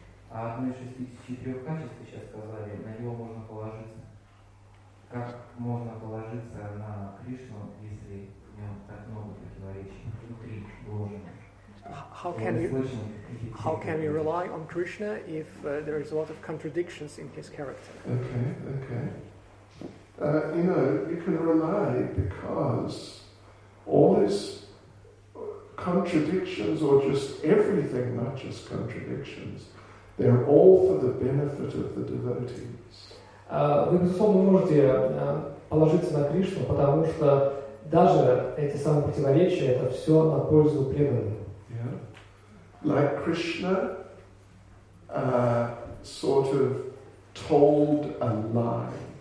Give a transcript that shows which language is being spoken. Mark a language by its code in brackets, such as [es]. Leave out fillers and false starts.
[ru] А одно из 64 качеств, вы сейчас сказали, на него можно положиться. Как можно положиться на Кришну, если в нем так много противоречий внутри вложено? [en] How can we rely on Krishna if there is a lot of contradictions in his character? Okay. You know, you can rely because all his contradictions, or just everything, not just contradictions, they're all for the benefit of the devotees. [ru] Вы, безусловно, можете положиться на Кришну, потому что даже эти самые противоречия – это все на пользу преданным. [en] Yeah. Like Krishna sort of told a lie.